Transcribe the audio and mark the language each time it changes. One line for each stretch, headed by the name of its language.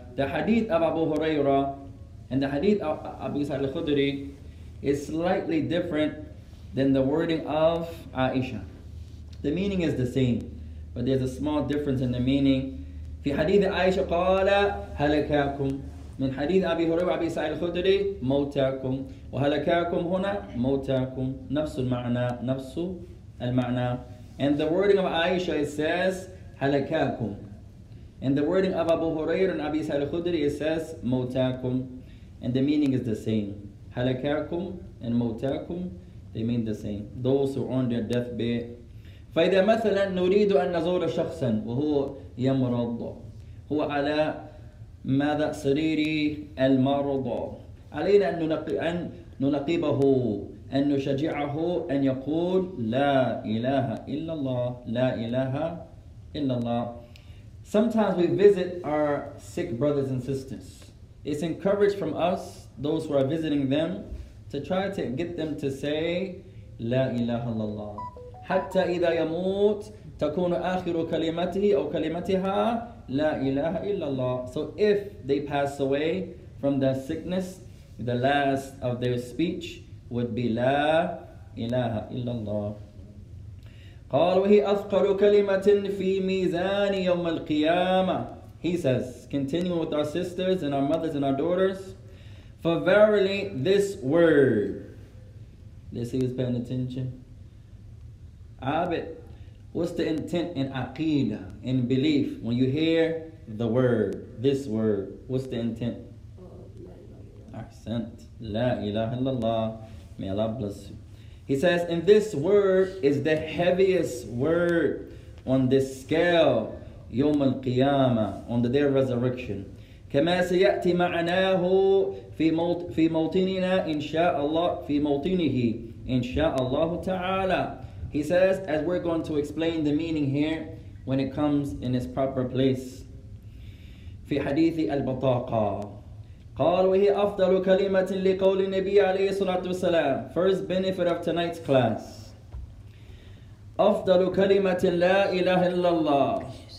English: The
Arabic: حديث أبو هريرة
English: and the
Arabic: حديث أبي سعيد الخدري
English: is slightly different than the wording of عائشة. The meaning is the same but there's a small difference in the meaning.
Arabic: في حديث عائشة قال هلكاكم. من حديث أبي هريرة وأبي سعيد الخدري موتاكم وهلكاكم هنا موتاكم نفس المعنى نفس المعنى.
English: And the wording of Aisha it says هلكاكم. And the wording of Abu Hurairah and Abi Sa'id al-Khudri it says موتاكم. And the meaning is the same. هلكاكم and موتاكم they mean the same. Those who are on their deathbed.
Arabic: فإذا مثلا نريد أن نزور شخصا وهو يمرض هو على ماذا سريري المرض علينا أن نلقبه أن نشجعه أن يقول لا إله إلا الله لا إله إلا الله.
English: Sometimes we visit our sick brothers and sisters. It's encouraged from us, those who are visiting them, to try to get them to say
Arabic: لا إله إلا الله. حتى إذا يموت تكون آخر كلمته أو كلمتها لا إله إلا الله.
English: So if they pass away from their sickness, the last of their speech would be
Arabic: لا إله إلا الله. قال وهي أثقل كلمة في ميزان يوم القيامة.
English: He says, continuing with our sisters and our mothers and our daughters, for verily this word, let's see who's paying attention.
Arabic: عابد.
English: What's the intent in aqeedah, in belief, when you hear the word, this word? What's the intent? Accent.
Arabic: La ilaha illallah.
English: May Allah bless you. He says, and this word is the heaviest word on this scale,
Arabic: يوم القيامة,
English: on the day of resurrection.
Arabic: كما سيأتي معناه في موطننا إن شاء الله في موطنه إن شاء الله تعالى.
English: He says, as we're going to explain the meaning here, when it comes in its proper place.
Arabic: في حديث البطاقة قال وهي أفضل كلمة لقول النبي عليه الصلاة والسلام.
English: First benefit of tonight's class.
Arabic: أفضل كلمة لا إله إلا الله.